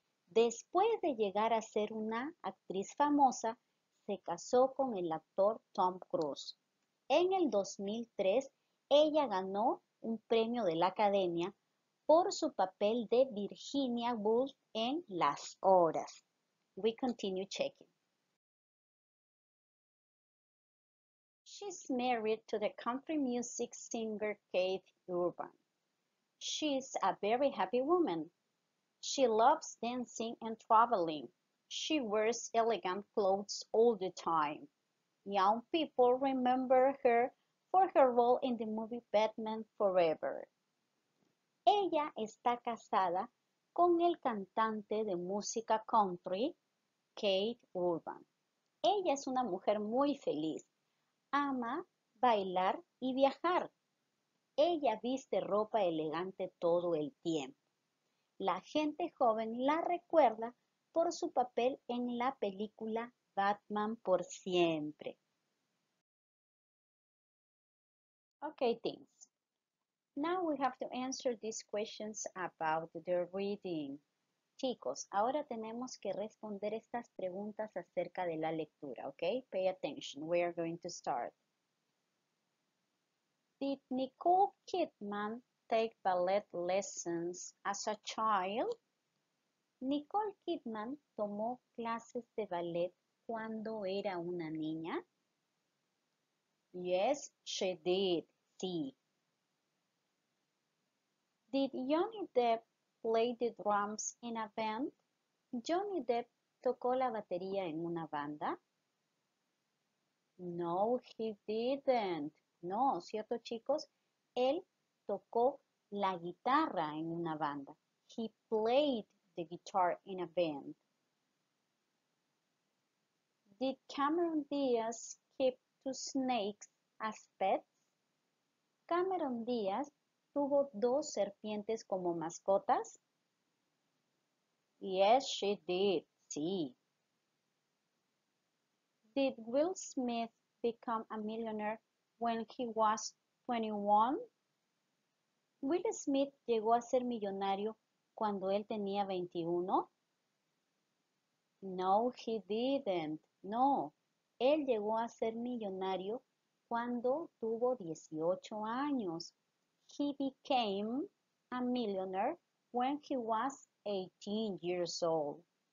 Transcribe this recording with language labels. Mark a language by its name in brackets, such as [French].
[Spanish] Después de llegar a ser una actriz famosa, se casó con el actor Tom Cruise. En el 2003, ella ganó un premio de la Academia por su papel de Virginia Woolf en Las Horas. [English] We continue checking. She's married to the country music singer Keith Urban. She's a very happy woman. She loves dancing and traveling. She wears elegant clothes all the time. Young people remember her for her role in the movie Batman Forever. [Spanish] Ella está casada con el cantante de música country, Kate Urban. Ella es una mujer muy feliz. Ama bailar y viajar. Ella viste ropa elegante todo el tiempo. La gente joven la recuerda por su papel en la película Batman por siempre. [English] Okay, thanks. Now we have to answer these questions about the reading. [Spanish] Chicos, ahora tenemos que responder estas preguntas acerca de la lectura, ¿ok? [English] Pay attention, we are going to start. Did Nicole Kidman take ballet lessons as a child? [Spanish] Nicole Kidman tomó clases de ballet cuando era una niña? [English] Yes, she did. Sí. Did Johnny Depp play the drums in a band? [Spanish] Johnny Depp tocó la batería en una banda? [English] No, he didn't. [Spanish] No, ¿cierto, chicos? Él tocó la guitarra en una banda. [English] He played the guitar in a band. Did Cameron Diaz keep two snakes as pets? [Spanish] Cameron Diaz tuvo dos serpientes como mascotas. [English] Yes, she did. Sí. Did Will Smith become a millionaire when he was 21? [Spanish] Will Smith llegó a ser millonario cuando él tenía 21? [English] No, he didn't. [Spanish] No, él llegó a ser millonario cuando tuvo 18 años. [English] He became a millionaire when he was 18 years old.